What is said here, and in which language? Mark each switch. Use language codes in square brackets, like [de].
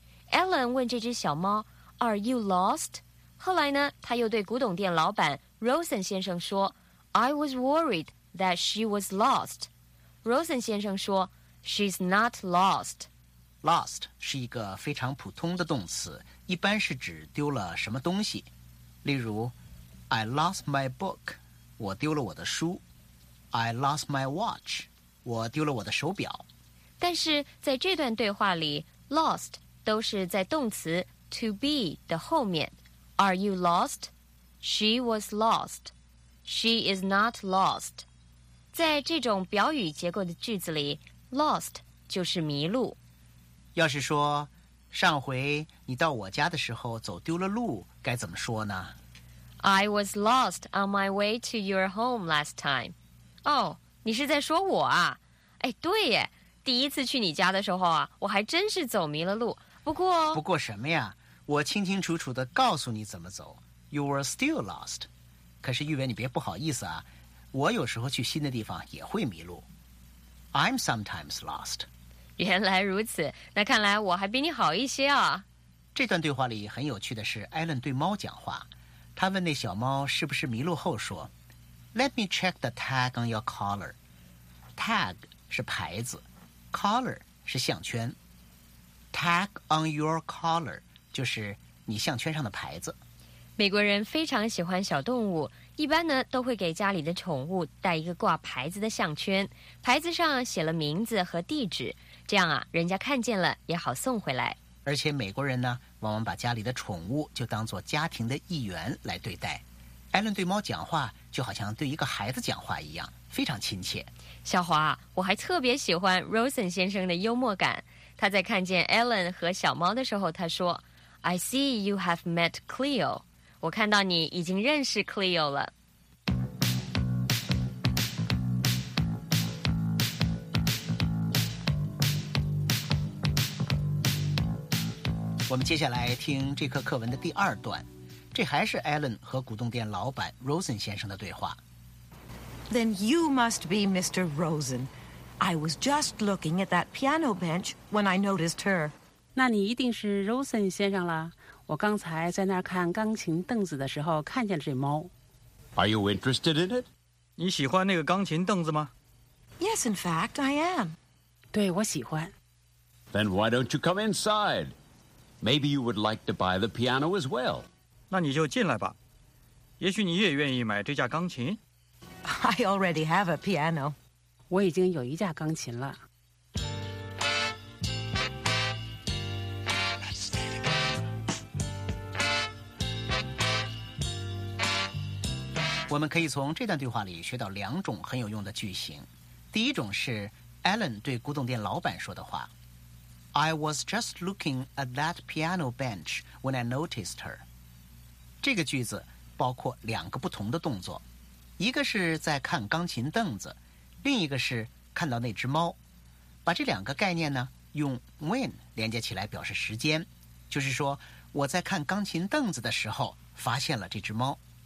[zh] Ellen 问这只小猫 , [en] Are you lost? [zh] 后来呢他又对古董店老板 Rosen 先生说 , [en] I was worried that she was lost. Rosen 先生说 ,She's not lost. [zh] Lost 是一个非常普通的动词，一般是指丢了什么东西。 [en] 例如 ,I lost my book. [zh] 我丢了我的书 [en] ，I lost my watch。 [zh] 我丢了我的手表。但是在这段对话里 ，lost 都是在动词 to be 的后面。 [en] Are you lost? She was lost. She is not lost. [zh] 在这种表语结构的句子里 ，lost 就是迷路。要是说上回你到我家的时候走丢了路，该怎么说呢？ [en] I was lost on my way to your home last time. [zh] 哦、oh, ，你是在说我啊？哎，对耶，第一次去你家的时候啊，我还真是走迷了路。不过什么呀？我清清楚楚地告诉你怎么走。 [en] You were still lost. [zh] 可是玉伟，你别不好意思啊。我有时候去新的地方也会迷路。 [en] I'm sometimes lost. [zh] 原来如此，那看来我还比你好一些啊。这段对话里很有趣的是，艾伦对猫讲话。他问那小猫是不是迷路后说 [en] Let me check the tag on your collar. [zh] Tag 是牌子， collar 是项圈。 [en] Tag on your collar [zh] 就是你项圈上的牌子。美国人非常喜欢小动物，一般呢都会给家里的宠物带一个挂牌子的项圈，牌子上写了名字和地址，这样啊人家看见了也好送回来。而且美国人呢往往把家里的宠物就当作家庭的一员来对待。艾伦对猫讲话就好像对一个孩子讲话一样，非常亲切。小华，我还特别喜欢 Rosen 先生的幽默感。他在看见艾伦和小猫的时候他说 [en] I see you have met Cleo. [zh] 我看到你已经认识 Cleo 了。我们接下来听这课课文的第二段，这还是 Alan 和古董店老板 Rosen 先生的对话。 [en] Then you must be Mr. Rosen. I was just looking at that piano bench when I noticed her. [zh] 那你一定是 Rosen 先生了。我刚才在那儿看钢琴凳子的时候看见了这猫。 [en] Are you interested in it? [zh] 你喜欢那个钢琴凳子吗？ [en] Yes, in fact, I am. [zh] 对，我喜欢。 [en] Then why don't you come inside? Maybe you would like to buy the piano as well. [zh] 那你就进来吧。也许你也愿意买这架钢琴。 [en] I already have a piano. [zh] 我已经有一架钢琴了。我们可以从这段对话里学到两种很有用的句型。第一种是 Alan 对古董店老板说的话。 [en] I was just looking at that piano bench when I noticed her. [zh] 这个句子包括两个不同的动作，一个是在看钢琴凳子，另一个是看到那只猫。把这两个概念呢，用 when 连接起来表示时间，就是说我在看钢琴凳子的时候发现了这只猫。